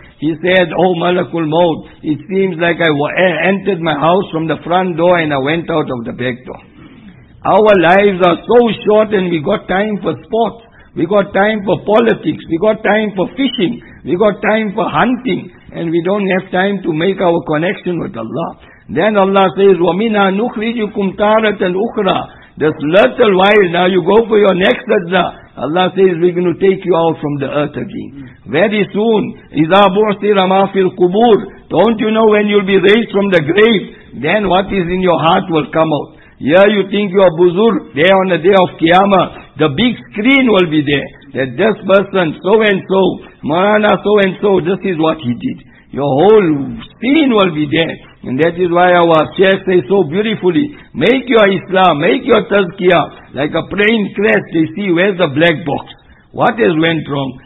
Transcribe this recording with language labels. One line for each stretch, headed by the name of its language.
English: He said, oh Malakul Maut, it seems like I entered my house from the front door and I went out of the back door. Our lives are so short, and we got time for sports, we got time for politics, we got time for fishing, we got time for hunting, and we don't have time to make our connection with Allah. Then Allah says,
Arabic: وَمِنَا نُخْرِجُكُمْ تَارَةً أُخْرَى.
English: This little while, now you go for your next sajda. Allah says, we're going to take you out from the earth again. Very soon,
Arabic: إِذَا بُعْثِرَ مَا فِي الْقُبُورِ.
English: Don't you know when you'll be raised from the grave, then what is in your heart will come out. Here you think you are buzur, there on the day of Qiyamah, the big screen will be there. That this person, so-and-so, Marana so-and-so, this is what he did. Your whole scene will be there. And that is why our chair says so beautifully, make your Islam, make your tazkiyah, like a plane crash, they see where's the black box. What has went wrong?